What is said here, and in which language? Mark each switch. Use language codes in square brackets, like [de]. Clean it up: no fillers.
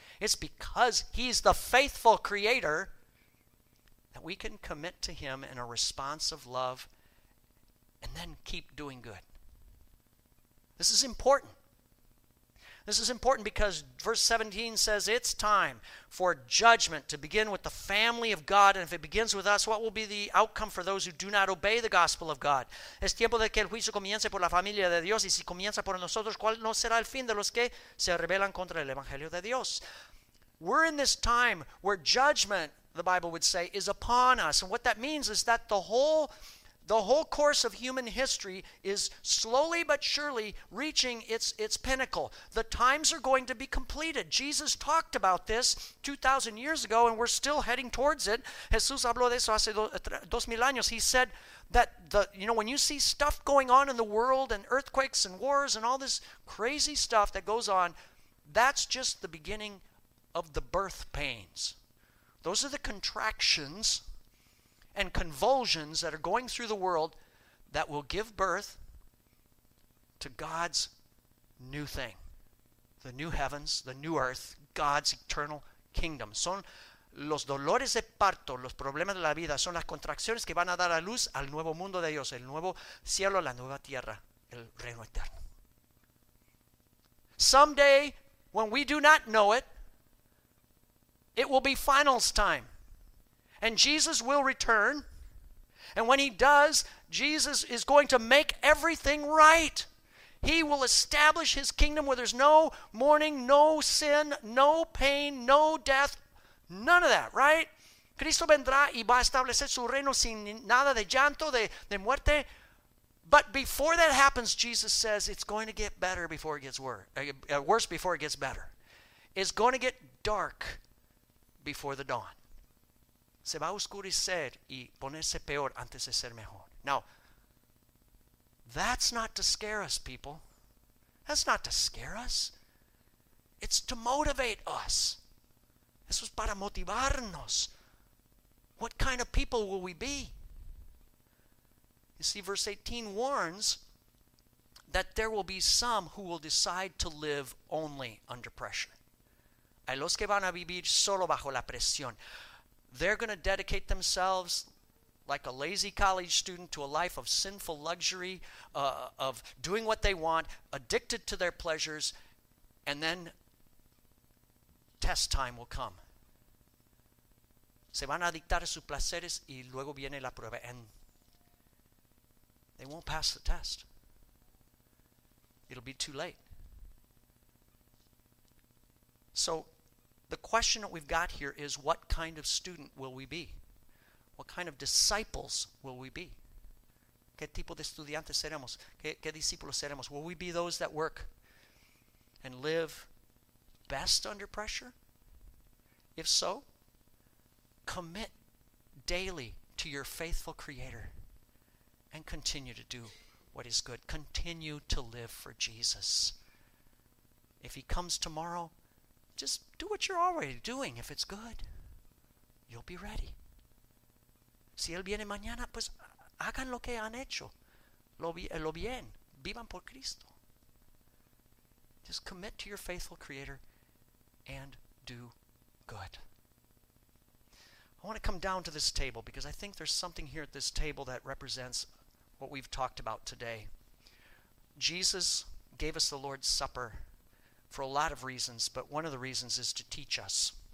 [en] It's because he's the faithful creator that we can commit to him in a response of love and then keep doing good. This is important. This is important because verse 17 says it's time for judgment to begin with the family of God. And if it begins with us, what will be the outcome for those who do not obey the gospel of God? [es] Es tiempo de que el juicio comience por la familia de Dios. Y si comienza por nosotros, ¿cuál no será el fin de los que se rebelan contra el evangelio de Dios? [en] We're in this time where judgment, the Bible would say, is upon us. And what that means is that the whole course of human history is slowly but surely reaching its pinnacle. The times are going to be completed. Jesus talked about this 2,000 years ago, and we're still heading towards it. [es] Jesús habló de eso hace 2,000 años. [en] He said that, when you see stuff going on in the world and earthquakes and wars and all this crazy stuff that goes on, that's just the beginning of the birth pains. Those are the contractions and convulsions that are going through the world that will give birth to God's new thing, the new heavens, the new earth, God's eternal kingdom. [es] Son los dolores de parto, los problemas de la vida, son las contracciones que van a dar a luz al nuevo mundo de Dios, el nuevo cielo, la nueva tierra, el reino eterno. [en] Someday, when we do not know it, it will be finals time. And Jesus will return. And when he does, Jesus is going to make everything right. He will establish his kingdom where there's no mourning, no sin, no pain, no death, none of that, right? [es] Cristo vendrá y va a establecer su reino sin nada de llanto, de muerte. [en] But before that happens, Jesus says it's going to get better before it gets worse before it gets better. It's going to get dark before the dawn. [es] Se va a oscurecer y ponerse peor antes de ser mejor. [en] Now, that's not to scare us, people. That's not to scare us. It's to motivate us. [es] Eso es para motivarnos. [en] What kind of people will we be? You see, verse 18 warns that there will be some who will decide to live only under pressure. [es] Hay los que van a vivir solo bajo la presión. [en] They're going to dedicate themselves like a lazy college student to a life of sinful luxury, of doing what they want, addicted to their pleasures, and then test time will come. [es] Se van a adictar a sus placeres y luego viene la prueba. [en] And they won't pass the test. It'll be too late. So, the question that we've got here is, what kind of student will we be? What kind of disciples will we be? [es] ¿Qué tipo de estudiantes seremos? ¿Qué discípulos seremos? [en] Will we be those that work and live best under pressure? If so, commit daily to your faithful Creator and continue to do what is good. Continue to live for Jesus. If he comes tomorrow, just do what you're already doing. If it's good, you'll be ready. [es] Si él viene mañana, pues hagan lo que han hecho. Lo bien. Vivan por Cristo. [en] Just commit to your faithful Creator and do good. I want to come down to this table because I think there's something here at this table that represents what we've talked about today. Jesus gave us the Lord's Supper for a lot of reasons, but one of the reasons is to teach us.